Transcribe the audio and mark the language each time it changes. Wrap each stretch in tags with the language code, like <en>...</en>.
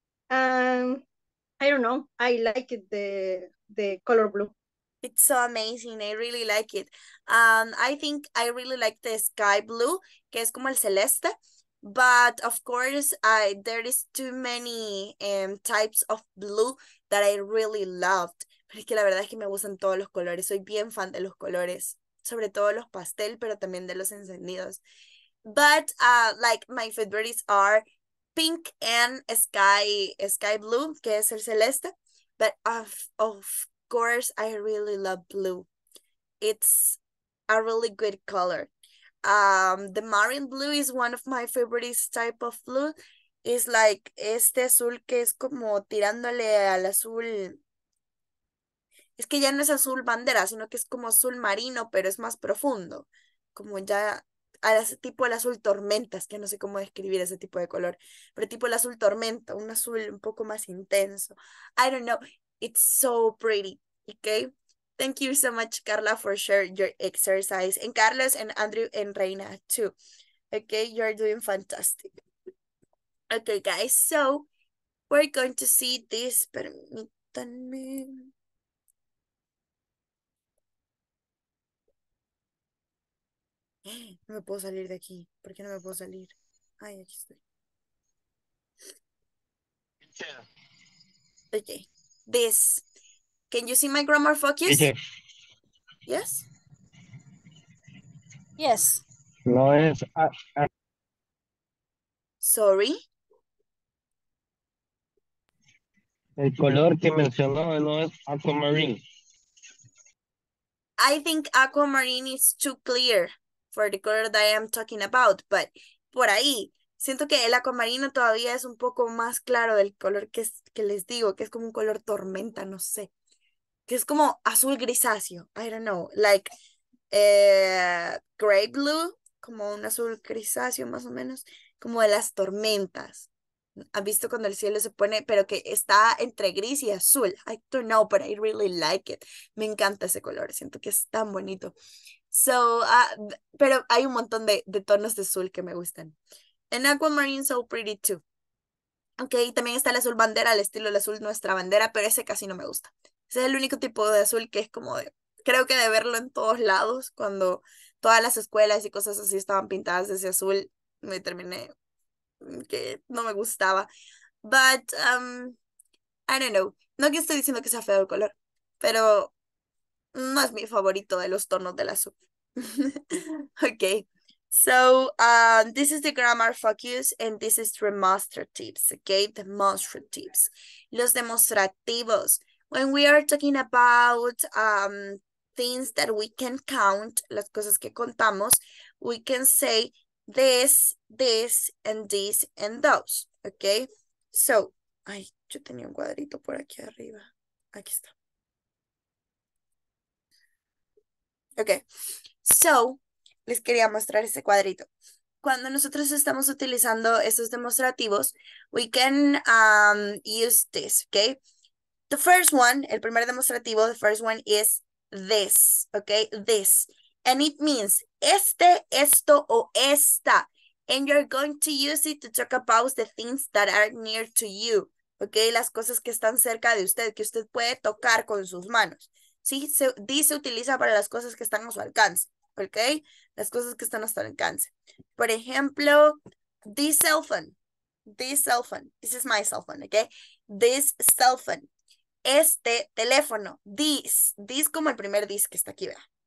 <en>I don't know. I like the color blue. It's so amazing. I really like it. I think I really like the sky blue,</en> <es>que es como el celeste.</es> <en>But of course, there is too many types of blue that I really loved.</en> <es>Pero es que la verdad es que me gustan todos los colores. Soy bien fan de los colores, sobre todo los pastel, pero también de los encendidos.</es> <en>But like my favorites are pink and sky blue,</en> <es>que es el celeste.</es> <en>But of course, I really love blue. It's a really good color. The marine blue is one of my favorite type of blue. It's like</en> <es>este azul que es como tirándole al azul. Es que ya no es azul bandera, sino que es como azul marino, pero es más profundo. Como ya a ese tipo el azul tormenta, es que no sé cómo describir ese tipo de color. Pero tipo el azul tormenta, un azul un poco más intenso.</es> <en>I don't know, it's so pretty, okay? Thank you so much, Carla, for sharing your exercise. And Carlos and Andrew and Reina, too. Okay, you're doing fantastic. Okay, guys, so we're going to see this.</en> <es>Permítanme. No me puedo salir de aquí. ¿Por qué no me puedo salir? Ay, aquí estoy.</es> <en>Okay, this. Can you see my grammar focus? Teacher. Yes? Yes.</en> <es>No es.</es> <en>Sorry?</en> <es>El color que mencionó no es aquamarine.</es> <en>I think aquamarine is too clear for the color that I am talking about, but</en> <es>por ahí. Siento que el aquamarino todavía es un poco más claro del color que les digo, que es como un color tormenta, no sé. Que es como azul grisáceo.</es> <en>I don't know. Like gray blue.</en> <es>Como un azul grisáceo más o menos. Como de las tormentas. ¿Has visto cuando el cielo se pone? Pero que está entre gris y azul.</es> <en>I don't know, but I really like it.</en> <es>Me encanta ese color. Siento que es tan bonito. So, pero hay un montón de tonos de azul que me gustan.</es> <en>And aquamarine so pretty too. Okay,</en> <es>también está el azul bandera. El estilo del azul nuestra bandera. Pero ese casi no me gusta. Ese es el único tipo de azul que es como de, creo que de verlo en todos lados, cuando todas las escuelas y cosas así estaban pintadas de ese azul, me terminé que no me gustaba.</es> <en>But, I don't know.</en> <es>No que estoy diciendo que sea feo el color, pero no es mi favorito de los tonos del azul.</es> <en>Okay. So, this is the grammar focus and this is demonstratives, okay?</en> <es>Demonstratives. Los demostrativos.</es> <en>When we are talking about things that we can count,</en> <es>las cosas que contamos,</es> <en>we can say this, this, and this, and those. Okay?</en> <es>So, ay, yo tenía un cuadrito por aquí arriba. Aquí está. Okay. So, les quería mostrar ese cuadrito. Cuando nosotros estamos utilizando esos demostrativos,</es> <en>we can use this.</en> <es>Okay?</es> <en>The first one,</en> <es>el primer demostrativo,</es> <en>the first one is this, okay? This. And it means</en> <es>este, esto, o esta.</es> <en>And you're going to use it to talk about the things that are near to you, okay?</en> <es>Las cosas que están cerca de usted, que usted puede tocar con sus manos. Sí, se utiliza para las cosas que están a su alcance, okay? Las cosas que están a su alcance. Por ejemplo,</es> <en>this cell phone, this is my cell phone, okay? This cell phone,</en> <es>este teléfono, this como el primer this que está aquí, ¿verdad?</es>